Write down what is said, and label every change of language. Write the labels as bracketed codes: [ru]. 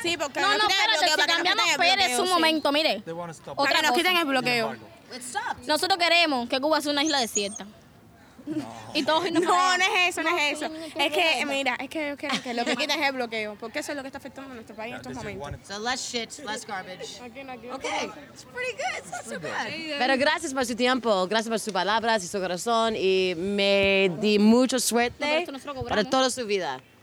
[es] Sí, porque... No, no, pero si cambiamos, espere un momento, mire. Otra, nos quiten el bloqueo. Nosotros queremos que Cuba sea una isla desierta. No. No es eso. Es que lo que quita es el bloqueo, porque eso es lo que está afectando a nuestro país en estos momentos. [en] So less shit, less garbage. Okay, it's pretty good, it's not so bad. [es] Pero gracias por su tiempo, gracias por sus palabras y su corazón, y me di mucho suerte para toda su vida.